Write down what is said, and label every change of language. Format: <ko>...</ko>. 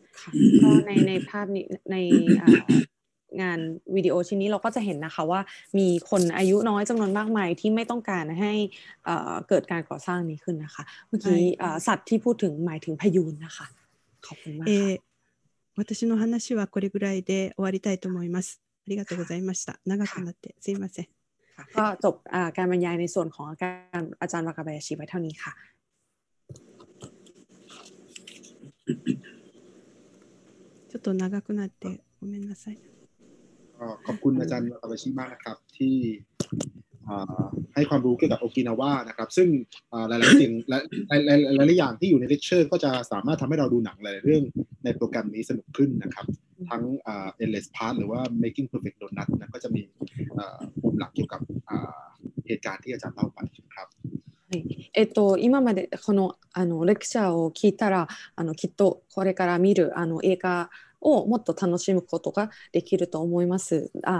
<th>ค่ะก็ในภาพนี้ในงานวิดีโอชิ้นนี้เราก็จะเห็นนะคะว่ามีคนอายุน้อยจำนวนมากมายที่ไม่ต้องการให้เกิดการก่อสร้างนี้ขึ้นนะคะเมื่อกี้สัตว์ที่พูดถึงหมายถึงพยูนนะคะขอบคุณมากค่ะ</th> <ja>私の話はこれぐらいで終わりたいと思いますありがとうございました長くなってすいません</ja> <th>ก็จบการบรรยายในส่วนของอาจารย์วากาบายาชิไว้เท่านี้ค่ะ</th> <ja>ちょっと長くなってごめんなさい。</ja> <th>ขอบคุณอาจารย์อาบาชิมากนะครับที่ให้ความรู้เกี่ยวกับโอกินาวานะครับซึ่งหลายๆสิ่งและหลายๆอย่างที่อยู่ในเลคเชอร์ก็จะสามารถทำให้เราดูหนังหลายเรื่องในโปรแกรมนี้สนุกขึ้นนะครับทั้งEndless Path หรือว่า Making Perfect Donut นะก็จะมีปมหลักเกี่ยวกับเหตุการณ์ที่อาจารย์เล่าไปครับ</th> <ja>Just までこのあのレクチャーを聞いたらあのきっとこれから見るあの映画をもっと楽しむことができると思います。</ja>